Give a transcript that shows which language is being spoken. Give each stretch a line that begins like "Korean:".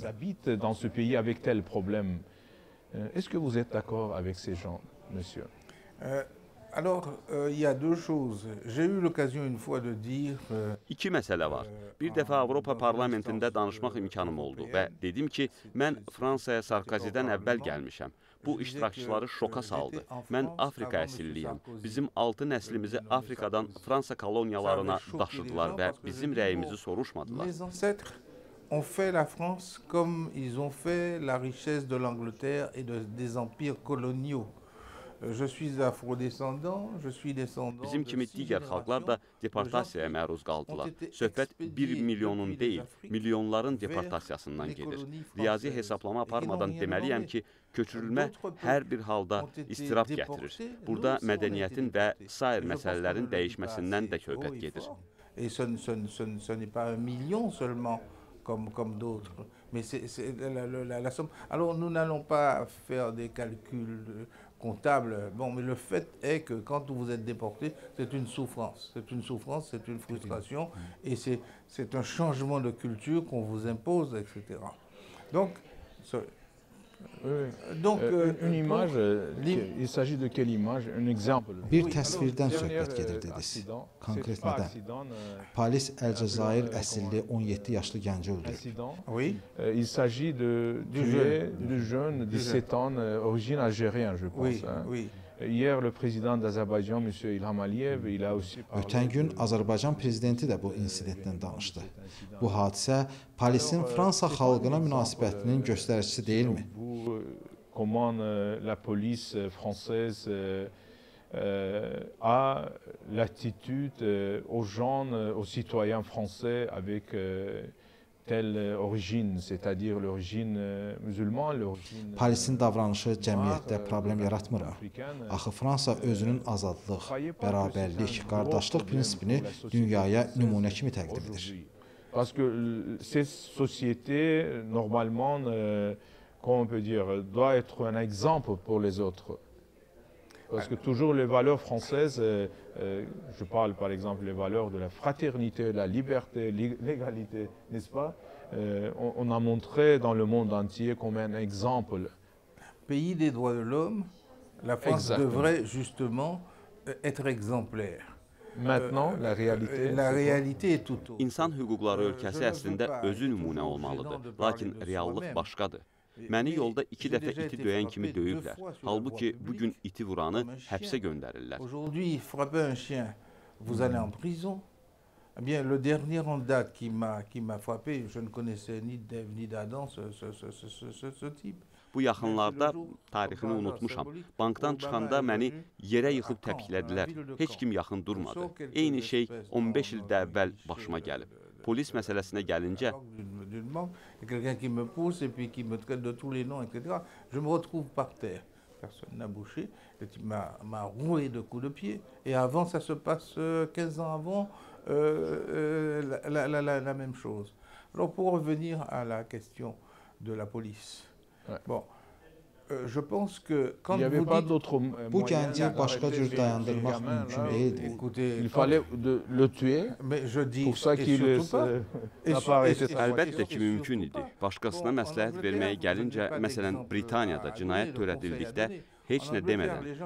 French: Habite dans ce pays avec tel problème. Est-ce que vous êtes d'accord avec ces gens, monsieur? Alors, il y a deux choses. J'ai eu l'occasion une fois de dire
Azerbaijani: İki məsələ var. Bir dəfə Avropa Parlamentində danışmaq imkanım oldu və dedim ki, mən Fransaya Sarkozidən əvvəl gəlmişəm. Bu iştirakçıları şoka saldı. Mən Afrika əsilliyəm. Bizim 6 nəslimizi Afrikadan Fransa koloniyalarına daşıdılar və bizim rəyimizi soruşmadılar.
French: On fait la France comme ils ont fait la richesse de l'Angleterre et des empires coloniaux. Je suis afrodescendant, je suis descendant.
Azerbaijani: Bizim kimi digər xalqlar da deportasiyaya məruz qaldılar. Söhbət 1 milyonun deyil, milyonların deportasiyasından gedir. Riyazi hesablama aparmadan deməliyəm ki, köçürülmə hər bir halda istirab gətirir. Burada mədəniyyətin və s. məsələlərin dəyişməsindən də söhbət gedir.
French: Et ce n'est pas 1 million seulement comme d'autres. Mais c'est la somme. Alors nous n'allons pas faire des calculs comptable. Bon, mais le fait est que quand vous êtes déporté, c'est une souffrance, c'est une frustration et c'est un changement de culture qu'on vous impose, etc. Donc, une image, il s'agit de quelle image? Un exemple.
Azerbaijani: Bir təsvirdən söhbət gedir dediniz. Konkret nədən? Polis Əl-Cəzair əsilli 17 yaşlı gənc öldürür.
French: Oui. Il s'agit de du jeune 17 ans origine algérienne, je pense. Oui. Oui. Hier le président d'Azerbaïdjan monsieur Ilham Aliyev il a aussi parlé.
Azerbaijani: Ötən gün Azərbaycan prezidenti də bu insidentdən danışdı. Bu hadisə Parisin Fransa xalqına münasibətinin göstəricisi deyilmi?
French: Bu comment la police française a l'attitude aux gens aux citoyens français avec telle origine, c'est-à-dire l'origine musulmane, l'origine
Azerbaijani: Parisin davranışı cəmiyyətdə problem yaratmır. Axı Fransa özünün azadlıq, bərabərlik, qardaşlıq prinsipini dünyaya nümunə kimi təqdim edir.
French: Parce que ces sociétés normalement comment on peut dire doit être un exemple pour les autres. Parce que toujours les valeurs françaises, je parle par exemple les valeurs de la fraternité, de la liberté, l'égalité, n'est-ce pas? on a montré dans le monde entier comme un exemple. Pays des droits de l'homme, la France devrait justement être exemplaire. Maintenant, la réalité est tout autre.
Azerbaijani: İnsan hüquqları ölkəsi əslində özü nümunə olmalıdır. Lakin reallıq başqadır. Məni yolda iki dəfə iti döyən kimi döyüblər. Halbuki bugün iti vuranı həbsə göndərirlər.
French: Aujourd'hui, frapper un chien, vous allez en prison. Bien, le dernier en date qui m'a frappé, je ne connaissais ni Dave ni d'Adam, ce type.
Azerbaijani: Bu yaxınlarda tarixini unutmuşam. Bankdan çıxanda məni yerə yıxıb təpiklədilər. Heç kim yaxın durmadı. Eyni şey 15 ildə əvvəl başıma gəlib. Polis məsələsinə gəlincə,
French: quelqu'un qui me pousse et puis qui me traite de tous les noms et cetera, je me retrouve par terre. Personne n'a bouché, le type m'a roué de coups de pied et avant ça se passe 15 ans avant la même chose. Alors pour revenir à la question de la police. Bon, je pense que quand vous dites
Azerbaijani: bu gənci başqa cür dayandırmaq mümkün deyildi.
French: Il fallait le tuer. Mais je dis pour ça qu'il
Azerbaijani: est əlbəttə ki mümkün idi. Başqasına məsləhət verməyə gəlincə, məsələn, Britaniyada cinayət törədildikdə heç nə demədən.